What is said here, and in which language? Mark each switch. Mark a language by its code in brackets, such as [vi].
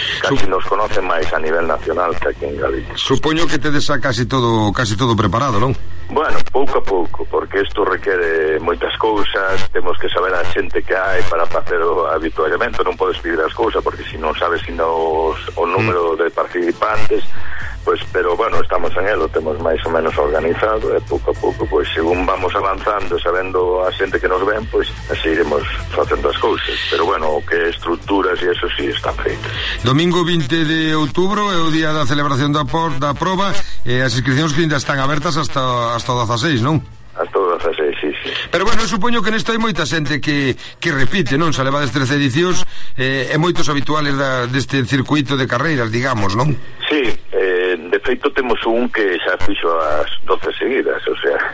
[es] Casi nos conocen máis a nivel nacional que aquí en Galicia. [gl] Supoño que tedes xa casi todo preparado, non? Bueno, pouco a pouco, porque isto requere moitas cousas, temos que saber a xente que hai para facer o habituallamento, non podes pedir as cousas, porque se non sabes sino o número de participantes, pues, [es] pero bueno, estamos en él, lo tenemos más o menos organizado, poco a poco, pues según vamos avanzando, sabiendo a gente que nos ven, pues así iremos haciendo las cosas, [gl] pero bueno, qué estructuras y eso sí están feitas. [es] Domingo 20 de octubre es el día de la celebración de la prueba, las inscripciones que ya están abiertas hasta 16, ¿no? Hasta 16, sí. [gl] Pero bueno, supoño que nesto hai moita xente que repite, non? Se leva das 13 edicións, é moitos habituales deste circuito de carreiras, digamos, non? Sí, de feito temos un que xa fixo as 12 seguidas, o sea.